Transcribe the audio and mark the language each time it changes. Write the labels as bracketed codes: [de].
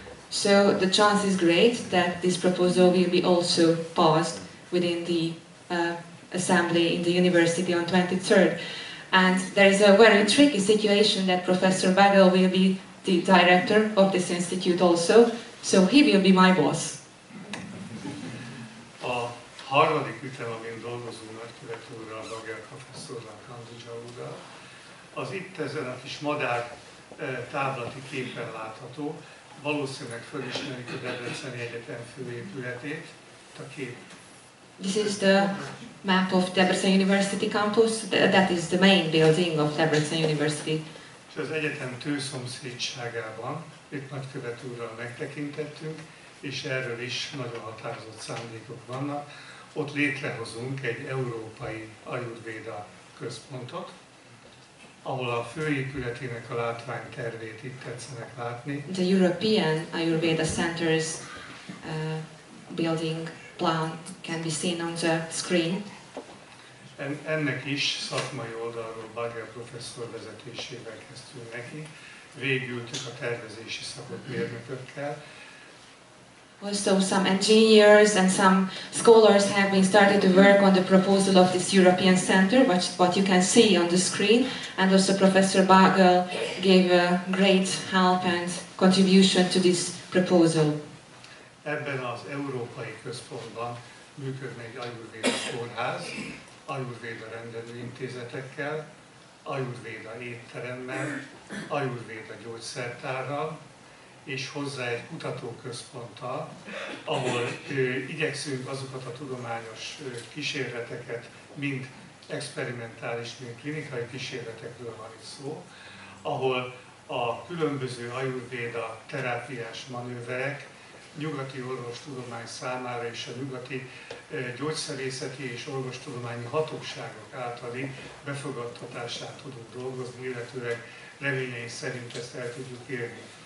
[en] So the chance is great that this proposal will be also passed within the assembly in the university on 23rd. And there is a very tricky situation that Professor Baghel will be the director of this institute also, so he will be my boss. [hu] A harmadik ütem, amin dolgozunk nagykövetőrrel, Baghel professzorral, Kandzsaúrral, az itt ezen a kis madár táblati képen látható, valószínűleg fölismerik a Debreceni Egyetem főépületét, itt a kép. [en] This is the map of Debrecen University campus. That is the main building of Debrecen University. [hu] és az egyetem tőszomszédságában itt nagykövet úrral megtekintettünk, és erről is nagyon határozott szándékok vannak. Ott létrehozunk egy európai Ayurveda központot, ahol a főépületének a látványtervét itt tetszenek látni. [en] The European Ayurveda Center's building plan can be seen on the screen. [hu] Ennek is szakmai oldalról Baghel professzor vezetésével kezdtünk neki. Végültük a tervezési szakot mérnökökkel. [en] Also some engineers and some scholars have been started to work on the proposal of this European center, which what you can see on the screen, and also Professor Baghel gave a great help and contribution to this proposal. [hu] Ebben az európai központban működne egy Ayurveda kórház, Ayurveda rendelő intézetekkel, Ayurveda étteremmel, Ayurveda gyógyszertárral, és hozzá egy kutatóközponttal, ahol igyekszünk azokat a tudományos kísérleteket, mind experimentális, mind klinikai kísérletekről van itt szó, ahol a különböző Ayurveda terápiás manőverek nyugati orvostudomány számára és a nyugati gyógyszerészeti és orvostudományi hatóságok általi befogadtatásán tudunk dolgozni, illetőleg reményeink szerint ezt el tudjuk érni.